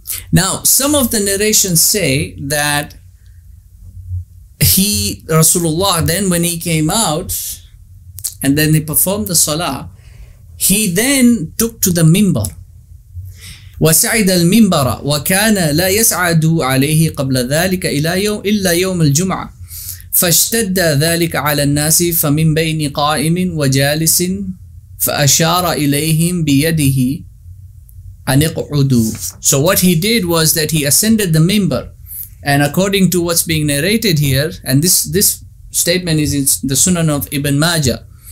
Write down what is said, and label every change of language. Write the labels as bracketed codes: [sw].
[en] Now, some of the narrations say that he, Rasulullah, then when he came out and then he performed the salah, he then took to the minbar. [ar] وسعد المنبر وكان لا يسعد عليه قبل ذلك إلا يوم الجمعة فاشتد ذلك على الناس فمن بين قائم وجالس فأشار إليهم بيده أن اقعدوا. [en] So what he did was that he ascended the minbar, and according to what's being narrated here, and this statement is in the Sunan of Ibn Majah.